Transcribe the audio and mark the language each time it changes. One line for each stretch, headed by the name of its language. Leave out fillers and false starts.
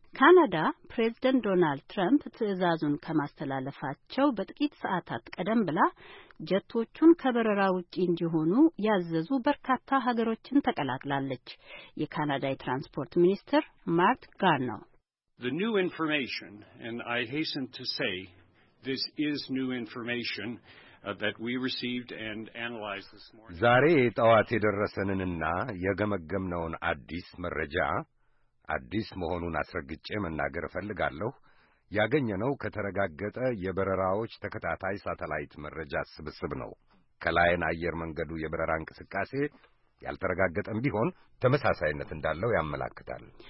Amharic: ካናዳ ፕሬዝደንት ዶናልድ ትራምፕ ትዕዛዙን ከማስተላለፋቸው በጥቂት ሰዓታት ቀደም ብላ ጀቶቹን ከበረራ ውጪ እንዲሆኑ ያዘዙ በርካታ ሀገሮችን ተቀላቅላለች። የካናዳ የትራንስፖርት ሚኒስትር ማርክ ጋርኖ
English: The new information, and I hasten to say this is new information, that we received and analyzed this morning.
Amharic: ዛሬ ጠዋት የደረሰንና የገመገምነውን አዲስ መረጃ አዲስ መሆኑን አስረግጬ መናገር ፈልጋለሁ። ያገኘነው ከተረጋገጠ የበረራዎች ተከታታይ ሳተላይት መረጃ ስብስብ ነው። ከላይን አየር መንገዱ የበረራ እንቅስቃሴ ያልተረጋገጠም ቢሆን ተመሳሳይነት እንዳለው ያመለክታል።